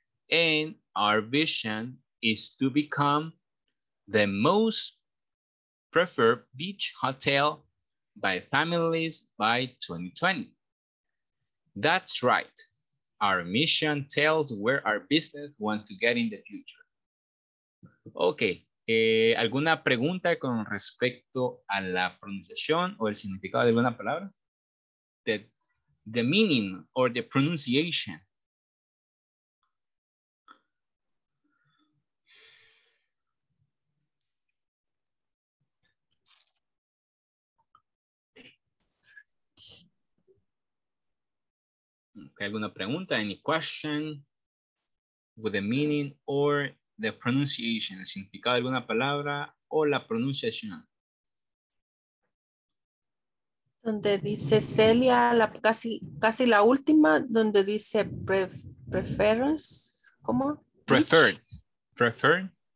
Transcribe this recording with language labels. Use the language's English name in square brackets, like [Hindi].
[English] And our vision is to become the most preferred beach hotel by families by 2020. That's right. Our mission tells where our business wants to get in the future. Okay. [Spanish] ¿Alguna pregunta con respecto a la pronunciación o el significado de alguna palabra? [English] The meaning or the pronunciation. [Spanish] ¿Alguna pregunta? [English] Any question with the meaning or the pronunciation? [Spanish] ¿El significado de alguna palabra o la pronunciación? Donde dice Celia, la, casi la última, donde dice preference, ¿cómo? [English] Preferred. Preferred.